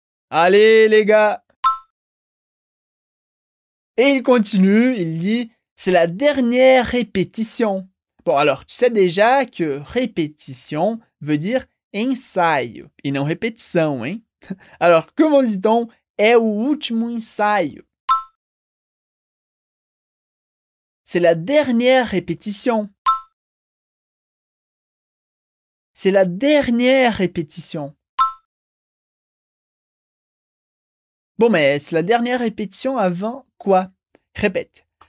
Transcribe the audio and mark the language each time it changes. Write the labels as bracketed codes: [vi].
[fr] Allez, les gars! Et il continue, il dit, c'est la dernière répétition. Bon, alors, tu sais déjà que répétition veut dire ensaio, et non répétition, hein? Alors, comment dit-on, [pt] é o último ensaio? [fr] C'est la dernière répétition. C'est la dernière répétition. Bon, mais c'est la dernière répétition avant quoi? Répète.